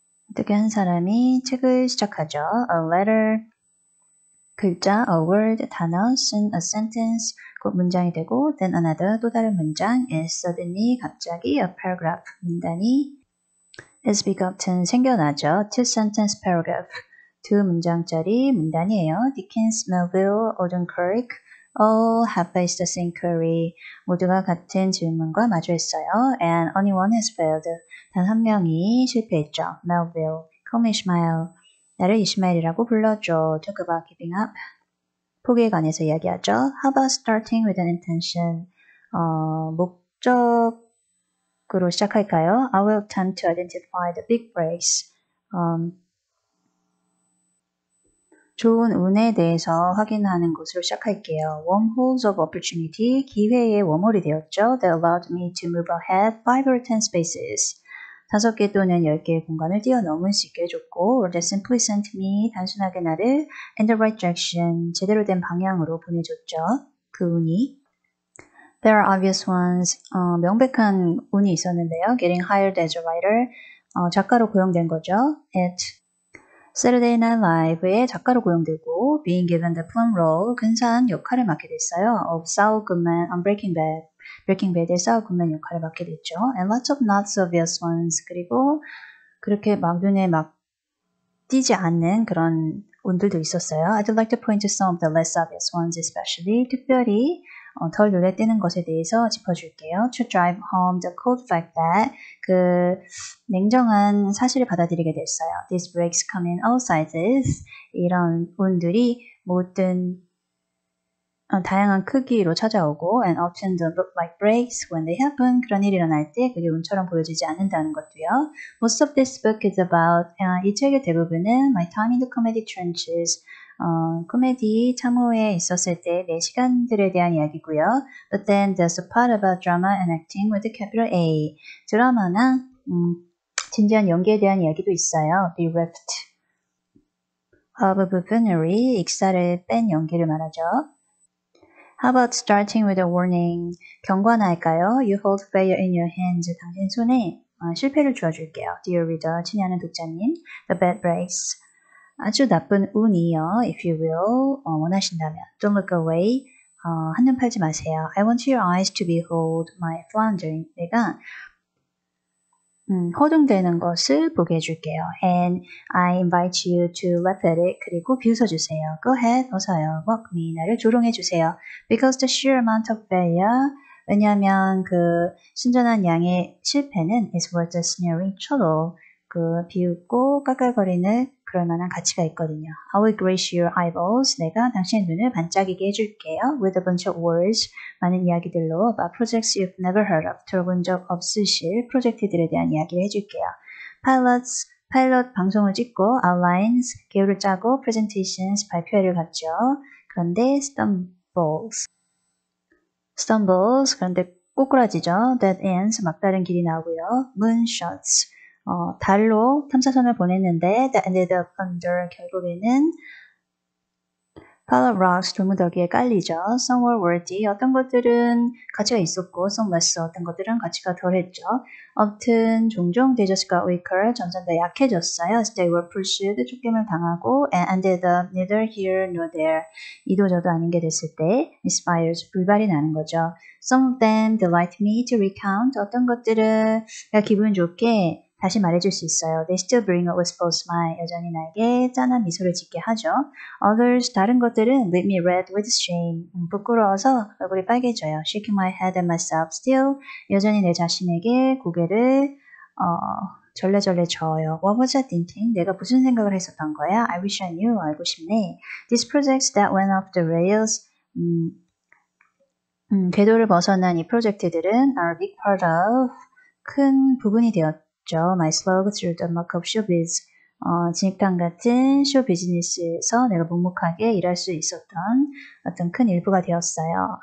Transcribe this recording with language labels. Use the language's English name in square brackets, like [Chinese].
[Korean] 어떻게 한 사람이 책을 시작하죠? [English] A letter. [Korean] 글자, [English] a word, [Korean] 단어, [English] soon a sentence. [Korean] 곧 문장이 되고, [English] then another, [Korean] 또 다른 문장. [English] is suddenly, [Korean] 갑자기, [English] a paragraph. [Korean] 문단이 [English] is begotten, [Korean] 생겨나죠? [English] two sentence paragraph. [Korean] 두 문장짜리 문단이에요. [English] Dickens, Melville, Oldenkirk. All have faced the same query. [Korean] 모두가 같은 질문과 마주했어요. [English] And only one has failed. [Korean] 단한 명이 실패했죠. [English] Melville. Call me Ishmael. [Korean] 나를 이스마엘이라고 불러줘. [English] Talk about giving up. [Korean] 포기에 관해서 이야기하죠. [English] How about starting with an intention? [Korean] 목적으로 시작할까요? [English] I will attempt to identify the big breaks. [Korean] 좋은 운에 대해서 확인하는 곳으로 시작할게요. [English] Wormholes of opportunity, [Korean] 기회의 워홀이 되었죠. [English] That allowed me to move ahead 5 or 10 spaces. [Korean] 다섯 개 또는 열 개의 공간을 뛰어넘을 수 있게 해줬고, [English] or that simply sent me [Korean] 단순하게 나를 [English] in the right direction [Korean] 제대로 된 방향으로 보내줬죠. 그 운이. [English] There are obvious ones. [Korean] 명백한 운이 있었는데요. [English] Getting hired as a writer. [Korean] 작가로 고용된 거죠. Saturday Night Live의 작가로 고용되고, [English] being given the prime role, [Korean] 근사한 역할을 맡게 됐어요. [English] Of Saul Goodman on Breaking Bad. [Korean] Breaking Bad의 Saul Goodman 역할을 맡게 됐죠. [English] And lots of not so obvious ones. [Korean] 그리고, 그렇게 막 눈에 막 띄지 않는 그런 운들도 있었어요. [English] I'd like to point to some of the less obvious ones, especially. [Korean] 특별히, 덜 눈에 띄는 것에 대해서 짚어줄게요. [English] To drive home the cold fact that [Korean] 그 냉정한 사실을 받아들이게 됐어요. [English] These breaks come in all sizes. [Korean] 이런 운들이 모든 다양한 크기로 찾아오고 [English] and often don't look like breaks when they happen. [Korean] 그런 일이 일어날 때 그게 운처럼 보여지지 않는다는 것도요. [English] Most of this book is about [Korean] 이 책의 대부분은 [English] My Time in the Comedy Trenches. [Korean] 코미디 참호에 있었을 때내 시간들에 대한 이야기고요. [English] But then there's a part about drama and acting with a capital A. [Korean] 드라마나 진지한 연기에 대한 이야기도 있어요. [English] Bereft of buffoonery, [Korean] 익살을 뺀 연기를 말하죠. [English] How about starting with a warning? [Korean] 경고할까요? [English] You hold failure in your hands. [Korean] 당신 손에 실패를 쥐어줄게요. [English] Dear reader, [Korean] 친애하는 독자님, [English] the bad breaks. [Korean] 아주 나쁜 운이요, [English] if you will, [Korean] 원하신다면. [English] Don't look away, [Korean] 한눈 팔지 마세요. [English] I want your eyes to behold my floundering. [Korean] 내가 허둥대는 것을 보게 해줄게요. [English] And I invite you to laugh at it. [Korean] 그리고 비웃어주세요. [English] Go ahead, [Korean] 웃어요. [English] Mock me, [Korean] 나를 조롱해주세요. [English] Because the sheer amount of failure, [Korean] 왜냐하면 그 순전한 양의 실패는 [English] is worth the sneering chortle. [Korean] 그 비웃고 깔깔거리는 그럴 만한 가치가 있거든요. [English] I will grace your eyeballs. [Korean] 내가 당신의 눈을 반짝이게 해줄게요. [English] With a bunch of words. [Korean] 많은 이야기들로 [English] about projects you've never heard of. [Korean] 들어본 적 없으실 프로젝트들에 대한 이야기를 해줄게요. [English] Pilots, [Korean] 파일럿 방송을 찍고 [English] outlines, [Korean] 개요를 짜고 [English] presentations, [Korean] 발표회를 갖죠. 그런데 [English] stumbles, [Korean] 그런데 꼬꾸라지죠. [English] Dead ends, [Korean] 막다른 길이 나오고요. [English] Moonshots. [Korean] 달로 탐사선을 보냈는데, [English] that ended up under, [Korean] 결국에는, [English] pile of rocks, [Korean] 돌무더기에 깔리죠. [English] Some were worthy, [Korean] 어떤 것들은 가치가 있었고, [English] some less, [Korean] 어떤 것들은 가치가 덜했죠. [English] Often, [Korean] 종종, [English] they just got weaker, [Korean] 점점 더 약해졌어요. [English] As they were pushed, [Korean] 쫓김을 당하고, [English] and ended up neither here nor there. [Korean] 이도 저도 아닌 게 됐을 때, [English] misfires, [Korean] 불발이 나는 거죠. [English] Some of them delight me to recount, [Korean] 어떤 것들은 내가 기분 좋게, 다시 말해줄 수 있어요. [English] They still bring a wistful smile. [Korean] 여전히 나에게 짠한 미소를 짓게 하죠. [English] Others, [Korean] 다른 것들은 [English] leave me red with shame. [Korean] 부끄러워서 얼굴이 빨개져요. [English] Shaking my head at myself still. [Korean] 여전히 내 자신에게 고개를 절레절레 저어요. [English] What was I thinking? [Korean] 내가 무슨 생각을 했었던 거야? [English] I wish I knew. [Korean] 알고 싶네. [English] These projects that went off the rails. [Korean] 궤도를 벗어난 이 프로젝트들은 [English] are a big part of [Korean] 큰 부분이 되었 [English] My slog through the muck of showbiz. [Korean] 진흙탕 같은 쇼 비즈니스에서 내가 묵묵하게 일할 수 있었던 어떤 큰 일부가 되었어요.